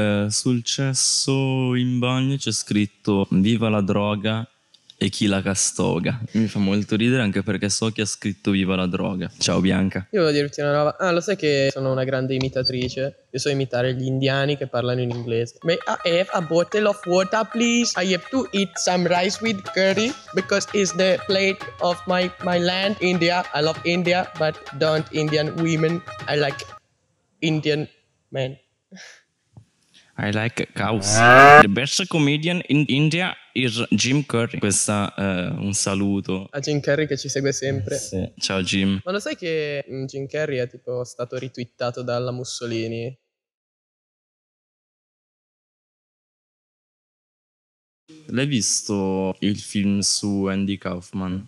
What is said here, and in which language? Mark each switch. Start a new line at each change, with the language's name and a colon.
Italian: Sul cesso in bagno c'è scritto: viva la droga e chi la castoga. Mi fa molto ridere anche perché so chi ha scritto viva la droga. Ciao Bianca. Io volevo dirti una roba. Ah, lo sai che sono una grande imitatrice? Io so imitare gli indiani che parlano in inglese.
English: May I have a bottle of water, please? I have to eat some rice with curry because it's the plate of my land, India. I love India, but don't Indian women. I like Indian man. I like cows. The best comedian in India is Jim Curry.
Italian: Questa è un saluto a Jim Curry che ci segue sempre. Sì. Ciao Jim. Ma lo sai che Jim Curry è tipo stato ritwittato dalla Mussolini? L'hai visto il film su Andy Kaufman?